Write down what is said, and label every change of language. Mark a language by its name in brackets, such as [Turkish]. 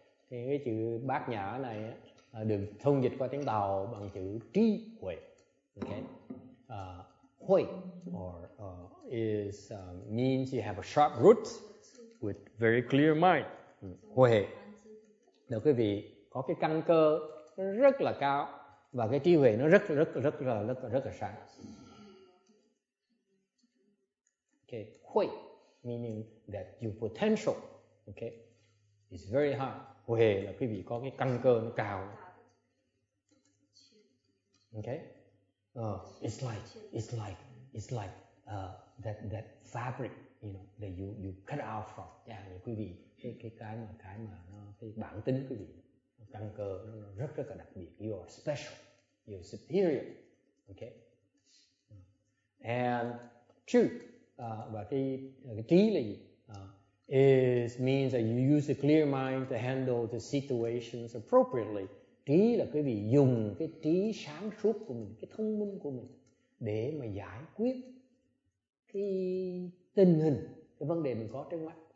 [Vietnamese] Cái chữ bát nhã này á, được thông dịch qua tiếng Tàu bằng chữ trí huệ. [English] Okay. Huệ or is means you have a sharp root with very clear mind. [Vietnamese] Huệ. Nếu quý vị có cái căn cơ rất là cao và cái trí huệ nó rất là sáng. [English] Okay, huệ meaning that your potential, okay, is very high. [Vietnamese] Huệ là quý vị có cái căn cơ nó cao. [English] Okay, it's like that fabric, you know, that you cut out from. [Vietnamese] Yeah, quý vị, cái mà nó cái bản tính quý vị, căn cơ nó rất rất là đặc biệt. [English] You are special, you are superior. Okay, and truth, [Vietnamese] và cái trí là gì? [English] Is means that you use a clear mind to handle the situations appropriately. [Vietnamese] Trí là quý vị dùng cái trí sáng suốt của mình, cái thông minh của mình để mà giải quyết cái tình hình, cái vấn đề mình có trước mắt.